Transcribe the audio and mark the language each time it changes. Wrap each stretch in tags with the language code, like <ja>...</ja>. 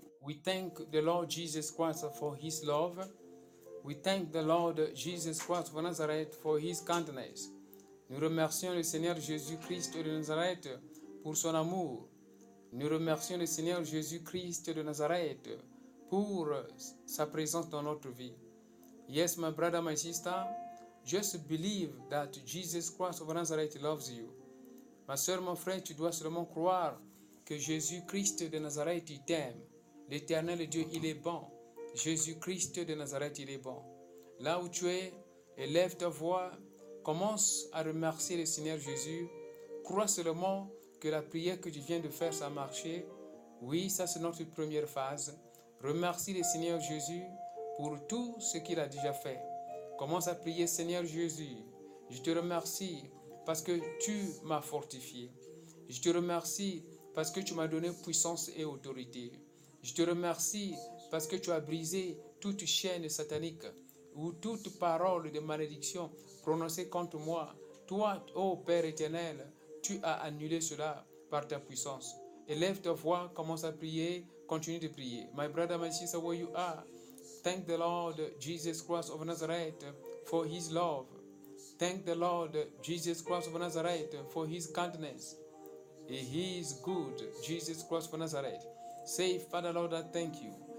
<en>We thank the Lord Jesus Christ for his love. We thank the Lord Jesus Christ of Nazareth for his kindness.</en> <fr>Nous remercions le Seigneur Jésus-Christ de Nazareth pour son amour. Nous remercions le Seigneur Jésus-Christ de Nazareth pour sa présence dans notre vie.</fr> <en>Yes, my brother, my sister, just believe that Jesus Christ of Nazareth loves you.</en> <fr>Ma soeur, mon frère, tu dois seulement croire que Jésus-Christ de Nazareth t'aime. L'Éternel Dieu, il est bon. Jésus-Christ de Nazareth, il est bon. Là où tu es, élève ta voix, commence à remercier le Seigneur Jésus. Crois seulement que la prière que tu viens de faire, ça a marché. Oui, ça c'est notre première phase. Remercie le Seigneur Jésus pour tout ce qu'il a déjà fait. Commence à prier, Seigneur Jésus, je te remercie parce que tu m'as fortifié. Je te remercie parce que tu m'as donné puissance et autorité. Je te remercie parce que tu as brisé toute chaîne satanique ou toute parole de malédiction prononcée contre moi. Toi, ô Père éternel, tu as annulé cela par ta puissance. Élève ta voix, commence à prier, continue de prier.</fr> <en>My brother, my sister, where you are, thank the Lord Jesus Christ of Nazareth for his love. Thank the Lord Jesus Christ of Nazareth for his kindness. He is good, Jesus Christ of Nazareth. Say, Father Lord, I thank you.</en>